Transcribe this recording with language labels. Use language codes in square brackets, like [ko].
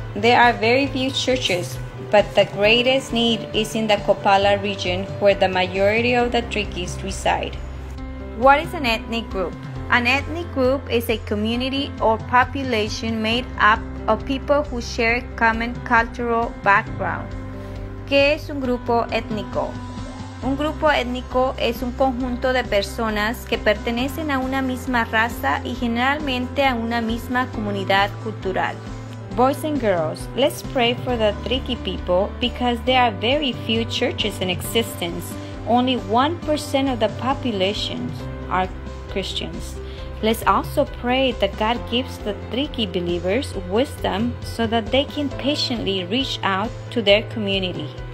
[en] There are very few churches, but the greatest need is in the Copala region where the majority of the Triquis reside. What is an ethnic group? An ethnic group is a community or population made up of people who share a common cultural background. [es] ¿Qué es un grupo étnico? Un grupo étnico es un conjunto de personas que pertenecen a una misma raza y generalmente a una misma comunidad cultural. [en] Boys and girls, let's pray for the Triqui people because there are very few churches in existence. Only 1% of the population are Christians. Let's also pray that God gives the Triqui believers wisdom so that they can patiently reach out to their community.